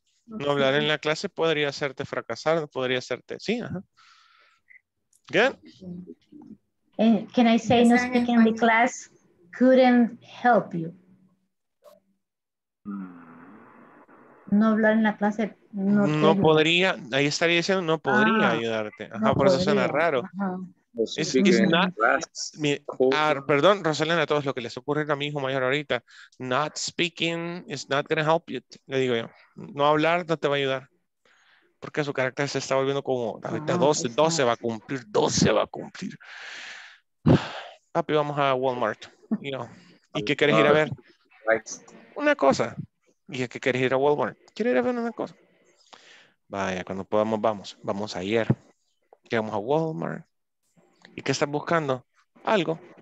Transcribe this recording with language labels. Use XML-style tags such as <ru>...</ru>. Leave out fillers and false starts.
<es>No hablar en la clase podría hacerte fracasar, podría hacerte, sí, ajá.</es> <en>Good. Can I say no speaking in the class couldn't help you?</en> <es>No hablar en la clase no podría, ahí estaría diciendo no podría ayudarte. Ajá, no por podría. Eso suena raro. Ajá. Perdón, Rosalena, a todos lo que les ocurre a mi hijo mayor ahorita.</es> <en>Not speaking is not going to help you.</en> <es>Le digo yo, no hablar no te va a ayudar. Porque su carácter se está volviendo como, ahorita 12 va a cumplir, 12 va a cumplir. Papi, vamos a Walmart.</es> <en>You know.</en> <es>¿Y qué quieres ir a ver? Una cosa. ¿Y qué quieres ir a Walmart? ¿Quieres ir a ver una cosa? Vaya, cuando podamos, vamos. Vamos ayer. Llegamos a Walmart. ¿Y qué estás buscando? Algo.</es>